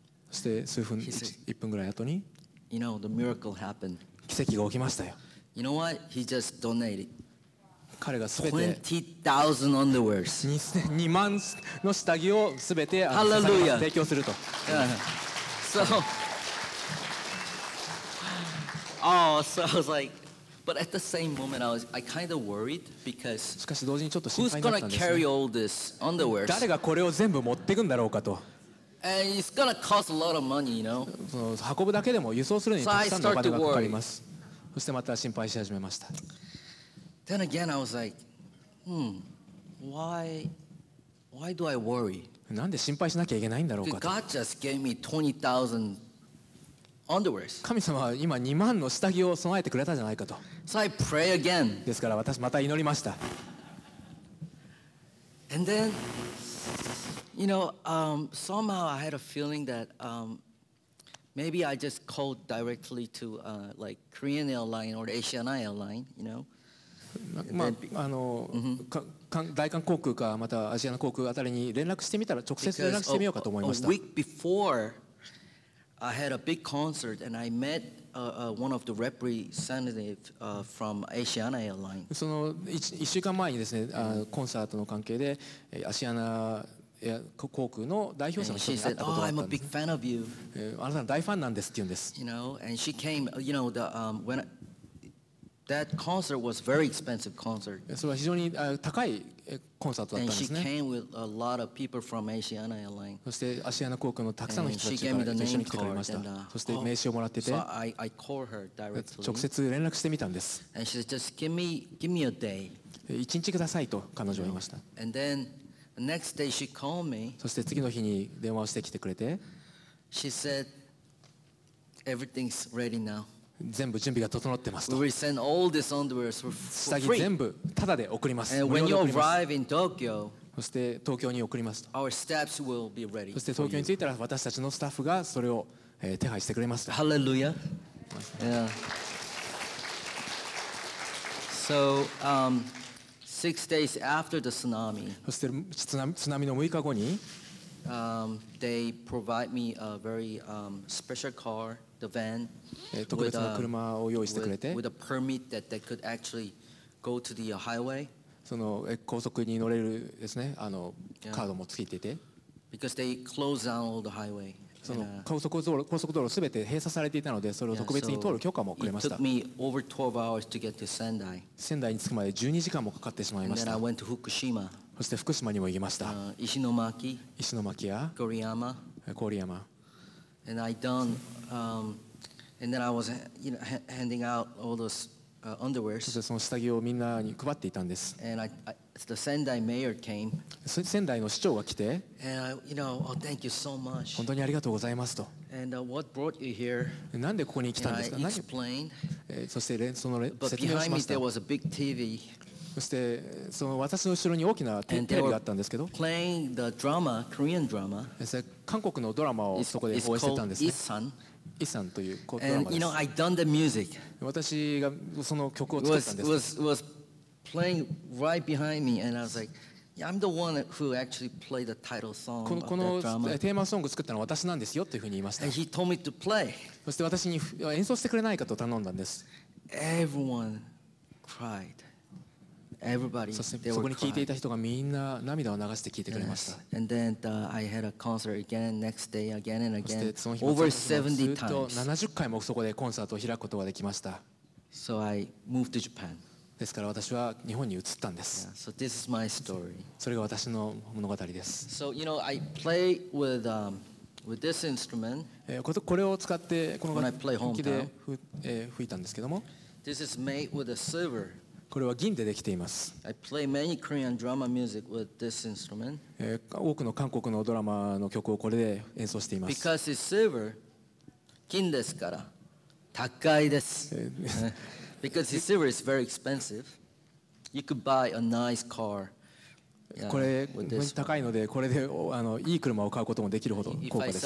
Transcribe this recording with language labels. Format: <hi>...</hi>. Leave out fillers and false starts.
<ja>そして数分、1分ぐらい後に、</ja> <en>You know, the miracle happened.</en> <ja>奇跡が起きましたよ。</ja> <en>You know what? He just donated.</en> <ja>彼がすべて</ja> <en>20,000 underwears.</en> <ja>20,000の下着をすべて提供すると。</ja> <en>So, oh, so I was like, but at the same moment I kind of worried because</en> <ja>しかし同時にちょっと心配になったんです。</ja> <en>Who's gonna carry all this underwears?</en> <ja>誰がこれを全部持っていくんだろうかと。</ja> <en>And it's gonna cost a lot of money, you know.</en> <ja>その運ぶだけでも輸送するにたくさんのお金がかかります。そしてまた心配し始めました。</ja> <en>Then again, I was like, why do I worry?</en> <ja>なんで心配しなきゃいけないんだろうかと。</ja> <en>God just gave me 20,000 underwears.</en> <ja>神様は今2万の下着を備えてくれたじゃないかと。</ja> <en>So I pray again.</en> <ja>ですから私また祈りました。</ja> <en>And then, you know, somehow I had a feeling that maybe I just called directly to like Korean airline or Asian airline, you know.</en> <ja>まあ、あの、大韓航空かまたアジアの航空あたりに連絡してみたら、直接連絡してみようかと思いました。</ja> <en>A week before, I had a big concert and I met one of the representatives from Asiana Airlines.</en> <ja>その1週間前にですね、コンサートの関係でアシアナ航空の代表者の人に会ったことがあったんです。</ja> <en>She said, oh, I'm a big fan of you.</en> <ja>あなたの大ファンなんですって言うんです。</ja> <en>You know, and she came, you know, the, whenThat concert was very expensive concert.</en> <ja>それは非常に高いコンサートだったんですね。</ja> <en>And she came with a lot of people from Asiana Airlines.</en> <ja>そしてアシアナ航空のたくさんの人たちが一緒に来てくれました。</ja> <en>And,</en> <ja>そして名刺をもらってて、</ja> <en>So I called her directly.</en> <ja>直接連絡してみたんです。</ja> <en>And she said, just give me a day.</en> <ja>一日くださいと彼女は言いました。</ja> <en>And then the next day she called me.</en> <ja>そして次の日に電話をしてきてくれて、</ja> <en>She said, everything's ready now.</en> <ja>全部準備が整ってますと。</ja> <en>We send all these underwears for free.</en> <ja>下着全部タダで送ります。</ja> <en>And when you arrive in Tokyo,</en> <ja>そして東京に送りますと。</ja> <en>Our staffs will be ready.</en> <ja>そして東京に着いたら私たちのスタッフがそれを手配してくれますと。</ja> <en>Hallelujah. Yeah. So, six days after the tsunami.</en> <ja>そして津波の6日後に、</ja> <en>they provide me a very special car. The van</en> <ja>特別な車を用意してくれて、</ja> <en>with a permit that they could actually go to the highway.</en> <ja>その高速に乗れるですね、あの、yeah. カードもついてて、</ja> <en>because they closed down all the highway.</en> <ja>その高速道路すべて閉鎖されていたので、それを特別に通る許可もくれました。</ja> <en>It took me over 12 hours to get to Sendai.</en> <ja>仙台に着くまで12時間もかかってしまいました。</ja> <en>And then I went to Fukushima.</en> <ja>そして福島にも行きました。石巻や郡山。</ja> <en>And I done, and then I was, you know, handing out all those underwears.</en> <ja>そしてその下着をみんなに配っていたんです。</ja> <en>And the Sendai mayor came.</en> <ja>仙台の市長が来て。</ja> <en>And I, you know, oh, thank you so much.</en> <ja>本当にありがとうございますと。</ja> <en>And what brought you here?</en> <ja>なんでここに来たんですか。</ja> <en>And I explained.</en> <ja>そして説明をしました。</ja> <en>But behind me there was a big TV.</en> <ja>そしてその私の後ろに大きなテレビがあったんですけど、</ja> <en>Korean drama.</en> <ja>韓国のドラマをそこで放映してたんですね。イッサンというドラマです。</ja> <en>And, you know, I done the music.</en> <ja>私がその曲を作ったんです。</ja> <en>Was playing right behind me, and I was like, yeah, I'm the one who actually played the title song of that drama.</en> <ja>このテーマソングを作ったのは私なんですよというふうに言いました。</ja> <en>And he told me to play.</en> <ja>そして私に演奏してくれないかと頼んだんです。</ja> <en>Everyone cried. Everybody,</en> <ja>そしてそこに聞いていた人がみんな涙を流して聞いてくれました。</ja> <en>And then the, I had a concert again next day, again and again.</en> <ja>そしてその日もずっと70回もそこでコンサートを開くことができました。</ja> <en>So I moved to Japan.</en> <ja>ですから私は日本に移ったんです。</ja> <en>Yeah. So this is my story.</en> <ja>それが私の物語です。</ja> <en>So you know, I play with, with this instrument.</en> <ja>これを使ってこの楽器で吹いたんですけども。</ja> <en>This is made with a silver.</en> <ja>これは銀でできています。</ja> <en>I play many Korean drama music with this instrument.</en> <ja>多くの韓国のドラマの曲をこれで演奏しています。</ja> <en>Because it's silver,</en> <ja>金ですから高いです。</ja> <en>Because it's silver, it's very expensive. You could buy a nice car.</en> <ja>これ本当に高いので、これであのいい車を買うこともできるほど高価です。</ja>